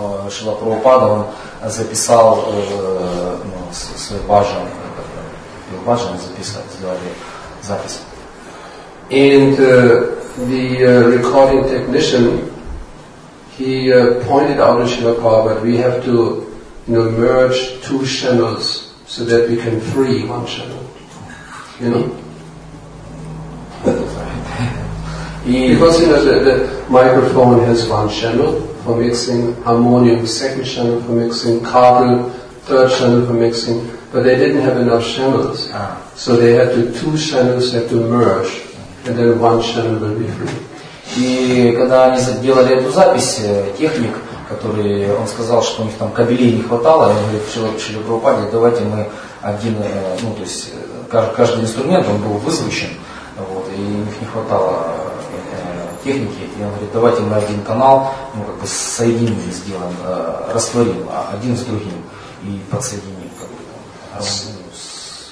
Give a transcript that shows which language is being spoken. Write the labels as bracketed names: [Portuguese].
[Russian] Шрила Прабхупада записал свой баджан, был баджан записать, сделали запись. [English] And the recording technician, he pointed out to Srila Prabhupada, we have to merge two channels so that we can free one channel. You know? Because the microphone has one channel for mixing harmonium, second channel for mixing carbon, third channel for mixing, but they didn't have enough channels. So they had to, two channels had to merge, and then one channel will be free. [Russian] И когда они сделали эту запись, техник которые, он сказал, что у них там кабелей не хватало, и он говорит, Шрила Прабхупаде, давайте мы один, ну то есть каждый инструмент, он был высвечен, вот, и у них не хватало техники, и он говорит, давайте мы один канал, ну как бы соединим, сделаем, растворим один с другим и подсоединим, как бы там, с